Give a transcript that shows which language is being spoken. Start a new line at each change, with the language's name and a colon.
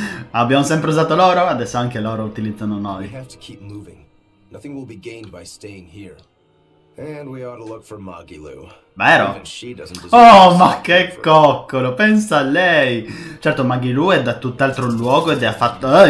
Italian: Abbiamo sempre usato loro, adesso anche loro utilizzano noi.
English: We have to keep moving. Nothing will be gained by staying here. And we ought to look for Moggy Lou.
Italian: Vero? Oh, ma che coccolo! Pensa a lei! Certo, Moggy Lou è da tutt'altro luogo ed ha fatto...